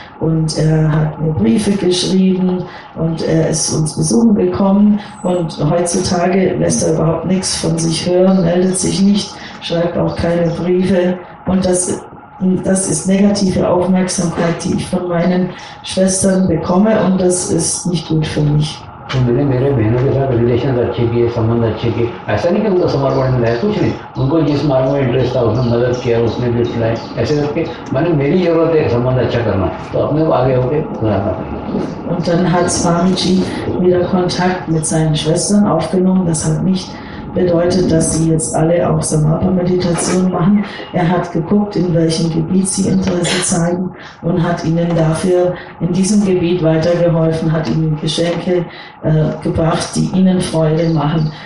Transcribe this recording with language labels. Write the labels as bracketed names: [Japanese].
[German] und er hat mir Briefe geschrieben und er ist uns besuchen gekommen und heutzutage lässt er überhaupt nichts von sich hören, meldet sich nicht, schreibt auch keine Briefe und das ist negative Aufmerksamkeit, die ich von meinen Schwestern bekomme und das ist nicht gut für mich. Und wenn meine Brüder mit mir Relationen [Hindi] अच्छी की संबंध अच्छे की ऐसा नहीं कि उनका समर्पण नहीं है कुछ नहीं उनको जिस मार्ग में इंटरेस्ट था उसने मदद किया उसने भी चलाए ऐसे करके मैंने मेरी जरूरत है संबंध अच्छा करना तो अपने आगे होके बुलाना [German] Und dann hat Swamiji wieder Kontakt mit seinen Schwestern aufgenommen. Das hat nicht bedeutet, dass sie jetzt alle auch Samatha-Meditation machen. Er hat geguckt, in welchem Gebiet sie Interesse zeigen und hat ihnen dafür in diesem Gebiet weitergeholfen, hat ihnen Geschenke gebracht, die ihnen Freude machen.